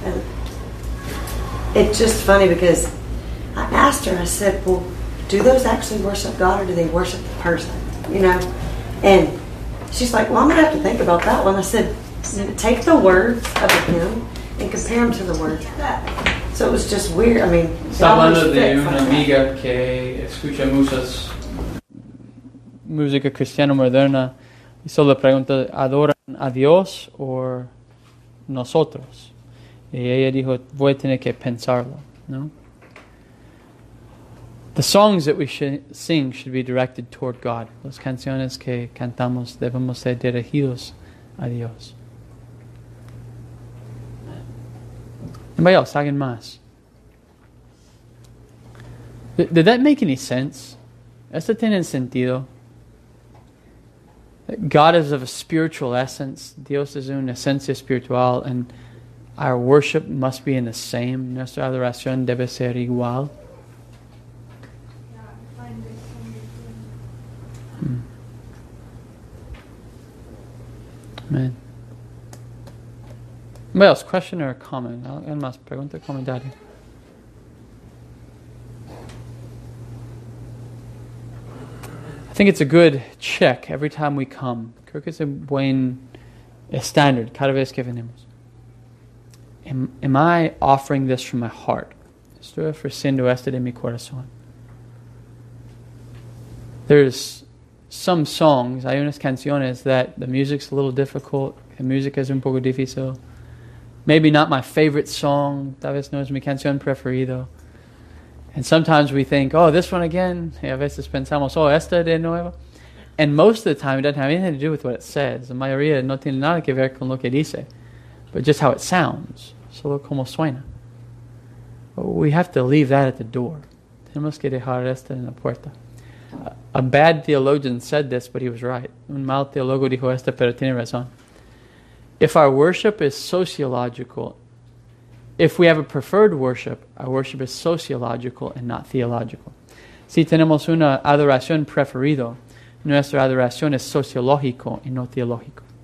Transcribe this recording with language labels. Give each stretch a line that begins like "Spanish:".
English: And it's just funny because I asked her, I said, well, do those actually worship God, or do they worship the person, you know? And she's like, well, I'm gonna have to think about that one. I said, take the words of a hymn and compare them to the words. So it was just weird. I mean,
Spanish: hablando de una amiga que escucha muchas música cristiana moderna, y solo pregunta, ¿adoran a Dios o nosotros? Y ella dijo, voy a tener que pensarlo, ¿no?
English: The songs that we should sing should be directed toward God.
Spanish: Las canciones que cantamos debemos ser dirigidos a Dios.
English: Anybody else?
Spanish: Hagan más.
English: Did that make any sense? ¿Esto tiene sentido? God is of a spiritual essence.
Spanish: Dios es una esencia espiritual.
English: And our worship must be in the same.
Spanish: Nuestra adoración debe ser igual.
English: Amen. Anybody else? Question or comment?
Spanish: Alguien más pregunta o comentario?
English: I think it's a good check every time we come.
Spanish: Creo que es un buen standard cada vez que venimos.
English: Am I offering this from my heart?
Spanish: Estoy ofreciendo esto de mi corazón.
English: There's some songs,
Spanish: hay unas canciones,
English: that the music's a little difficult, the music
Spanish: es un poco difícil.
English: Maybe not my favorite song.
Spanish: Tal vez no es mi canción preferido.
English: And sometimes we think, oh, this one again.
Spanish: Y a veces pensamos, oh, esta de nuevo.
English: And most of the time, it doesn't have anything to do with what it says.
Spanish: La mayoría no tiene nada que ver con lo que dice.
English: But just how it sounds.
Spanish: Solo como suena.
English: But we have to leave that at the door.
Spanish: Tenemos que dejar esto en la puerta.
English: A bad theologian said this, but he was right.
Spanish: Un mal teólogo dijo esto, pero tiene razón.
English: If our worship is sociological, if we have a preferred worship, our worship is sociological and not theological.
Spanish: Si tenemos una adoración preferido, nuestra adoración es sociológico y no teológico.